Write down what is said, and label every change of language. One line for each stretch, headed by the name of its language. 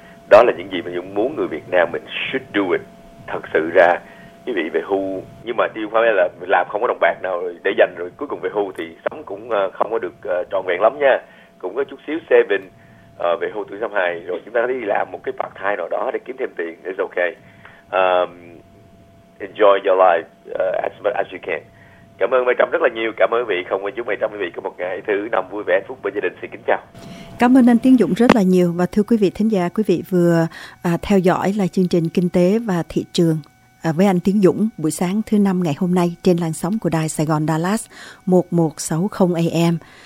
Vietnamese: Đó là những gì mà Dũng muốn người Việt Nam mình
English: should do it.
Vietnamese: Thật sự ra quý vị về hưu, nhưng mà tiêu khoa là làm không có đồng bạc nào để dành, rồi cuối cùng về hưu thì sống cũng không có được trọn vẹn lắm nha. Cũng có chút xíu saving về hưu tuổi 62, rồi chúng ta đi làm một cái part time nào đó để kiếm thêm tiền,
English: it's okay. Enjoy your life as much as you can.
Vietnamese: Cảm ơn Mai Trâm rất là nhiều. Cảm ơn quý vị. Không quên chúc Mai Trâm quý vị có một ngày thứ năm vui vẻ, hạnh phúc bên gia đình. Xin kính chào. Cảm ơn anh Tiến Dũng rất là nhiều. Và thưa quý vị thính giả, quý vị vừa theo dõi là chương trình Kinh tế và Thị trường với anh Tiến Dũng buổi sáng thứ năm ngày hôm nay trên làn sóng của Đài Sài Gòn Dallas 1160 AM.